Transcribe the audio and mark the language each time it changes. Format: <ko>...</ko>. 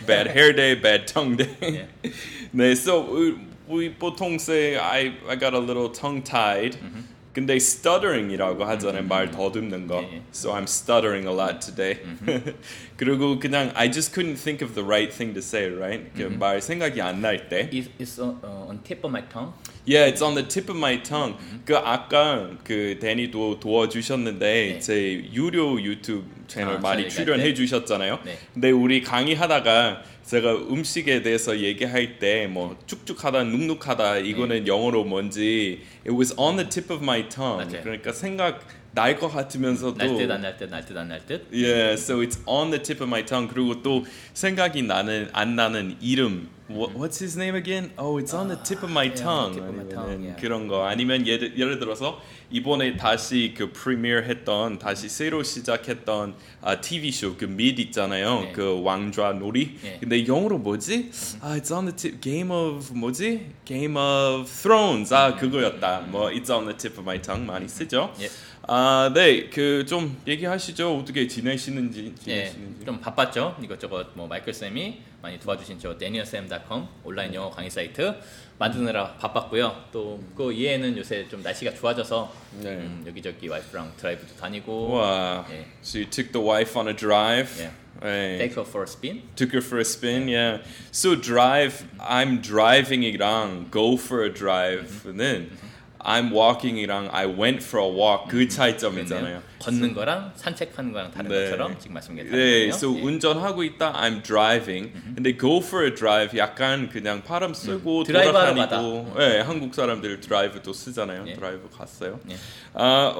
<en>Bad hair day, bad tongue day. Yeah. 네, so we</en> <ko>보통</ko> <en>say I got a little tongue tied. Mm-hmm.</en> <ko>근데 stuttering이라고 하잖아요, 말 더듬는 거.</ko> <en>Yeah, yeah. So I'm stuttering a lot today. Mm-hmm.</en> <ko>그리고 그냥</ko> <en>I just couldn't think of the right thing to say, right?</en> <ko>Mm-hmm. 말 생각이 안 날 때.</ko> <en>It's on tip of my tongue. Yeah, it's on the tip of my tongue. Mm-hmm.</en> <ko>그 아까 그 데니도 도와주셨는데 네. 제 유료 유튜브 채널 많이 출연해 때? 주셨잖아요. 네. 근데 우리 강의하다가 제가 음식에 대해서 얘기할 때 뭐 축축하다, 눅눅하다 이거는 네.</ko> <en>영어로 뭔지 It was on the tip of my tongue.</en> <ko>맞아요. 그러니까 생각 날 것 같으면서도 날 듯 안 날 듯 날 듯 안 날 듯</ko> <en>Yeah, so it's on the tip of my tongue.</en> <ko>그리고 또 생각이 나는 안 나는 이름</ko> <en>What's his name again? Oh, it's on the tip of my tongue. Yeah, tip of my tongue.</en> <ko>그런</ko> <en>yeah.</en> <ko>거 아니면 예를 들어서 이번에 다시 그 프리미어했던 다시 새로 시작했던 TV 쇼 그 미드 있잖아요 yeah. 그 왕좌 놀이 yeah. 근데 영어로 뭐지? Mm-hmm.</ko> <en>It's on the tip.</en> <ko>Game of 뭐지? Game of Thrones. 아 그거였다. Mm-hmm.</ko> <en>뭐 it's on the tip of my tongue</en> <ko>많이 쓰죠.</ko> <en>Yeah.</en> <ko>아, 네, 그 좀 얘기하시죠. 어떻게 지내시는지. 지내시는지. 네, 좀 바빴죠. 이것저것 뭐 마이클 쌤이 많이 도와주신 저 daniel쌤.com 온라인 영어 강의 사이트 만드느라 바빴고요. 또 그 이외에는 요새 좀 날씨가 좋아져서 네. 여기저기 와이프랑 드라이브도 다니고. 와, 네.</ko> <en>So you took the wife on a drive. Yeah. Take her for a spin. Took her for a spin, yeah. So drive, I'm driving이랑 go for a drive는. I'm walking이랑 I went for a walk</en> <ko>그 차이점이잖아요. 걷는 거랑 산책하는 거랑 다른 네. 것처럼 지금 말씀드렸잖아요. 네, so 예. 운전하고 있다</ko> <en>I'm driving.</en> <ko>근데</ko> <en>go for a drive</en> <ko>약간 그냥 발음 쓰고 돌아다니고 네, 한국 사람들 드라이브도 쓰잖아요. 예. 드라이브 갔어요. 아, 예.</ko>